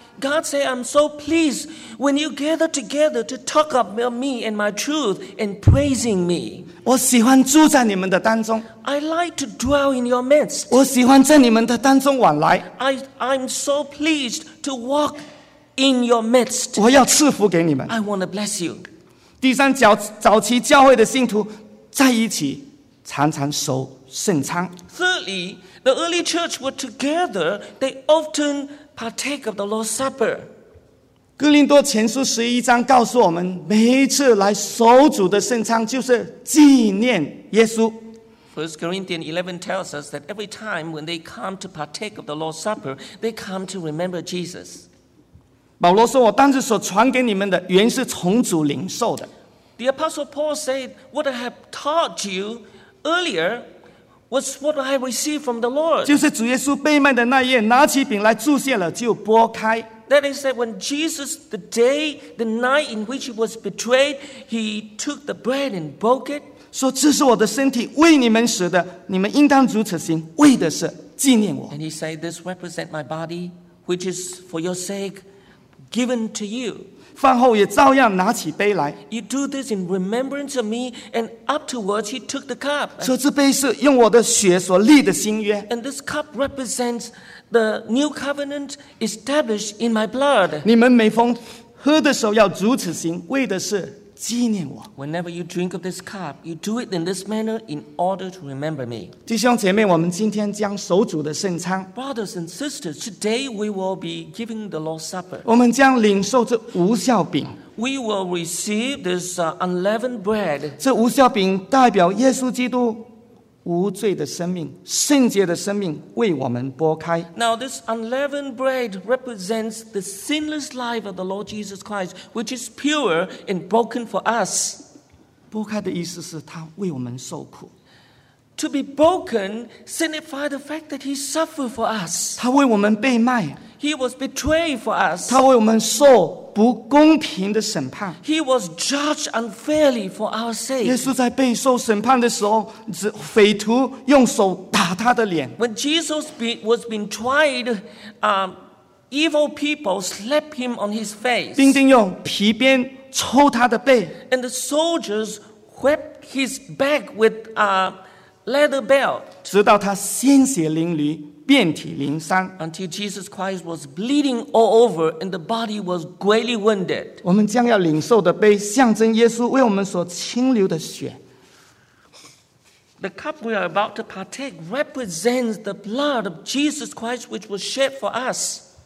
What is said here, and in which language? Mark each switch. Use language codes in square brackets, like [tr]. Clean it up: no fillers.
[en] God say, I'm so pleased when you gather together to talk about me and my truth and praising me. [zh] 我喜欢住在你们的当中。 [en] I like to dwell in your midst. [zh] 我喜欢在你们的当中往来。 [en] I'm so pleased to walk in your midst. [zh] 我要赐福给你们。 [en] I want to bless you. [zh] 第三，早期教会的信徒在一起常常守圣餐。 [en] Thirdly, the early church were together, they often partake of the Lord's Supper. [zh] 哥林多前书11章告诉我们, 每一次来守主的圣餐就是纪念耶稣。 [en] 1 Corinthians 11 tells us that every time when they come to partake of the Lord's Supper, they come to remember Jesus. [zh] 保罗说, 我当时所传给你们的原是从主领受的。 [en] The Apostle Paul said, what I have taught you earlier was what I received from the Lord. [zh] 就是主耶稣被卖的那夜, 拿起饼来注谢了, 就拨开。 [en] That is that when Jesus, the day, the night in which he was betrayed, he took the bread and broke it. [zh] 说这是我的身体, 为你们舍的, 你们应当如此行, 为的是纪念我。 [en] And he said, this represents my body, which is for your sake, given to you. [zh] 饭后也照样拿起杯来。 [en] You do this in remembrance of me, and afterwards he took the cup. [zh] 说这杯是用我的血所立的新约。 [en] And this cup represents the new covenant established in my blood. [zh] 你们每逢喝的时候要如此行, 为的是纪念我。 [en] Whenever you drink of this cup, you do it in this manner in order to remember me. [zh] 弟兄姐妹, 我们今天将守主的圣餐。 [en] Brothers and sisters, today we will be giving the Lord's Supper. [zh] 我们将领受这无效饼。 [en] We will receive this unleavened bread. [zh] 这无效饼代表耶稣基督 无罪的生命，圣洁的生命, 为我们拨开。 [en] Now this unleavened bread represents the sinless life of the Lord Jesus Christ, which is pure and broken for us. [zh] 拨开的意思是他为我们受苦。 [en] To be broken signifies the fact that he suffered for us. [zh] 他为我们被卖。 [en] He was betrayed for us. [zh] 他为我们受不公平的审判。 [en] He was judged unfairly for our sake. [zh] 耶稣在被受审判的时候, 匪徒用手打他的脸。 [en] When Jesus was being tried, evil people slapped him on his face. [zh] 兵丁用皮鞭抽他的背。 [en] And the soldiers whipped his back with leather belt. [zh] 直到他鲜血淋漓。 [en] Until Jesus Christ was bleeding all over and the body was greatly wounded. [zh] 我们将要领受的杯象征耶稣为我们所倾流的血。 [en] The cup we are about to partake represents the blood of Jesus Christ which was shed for us.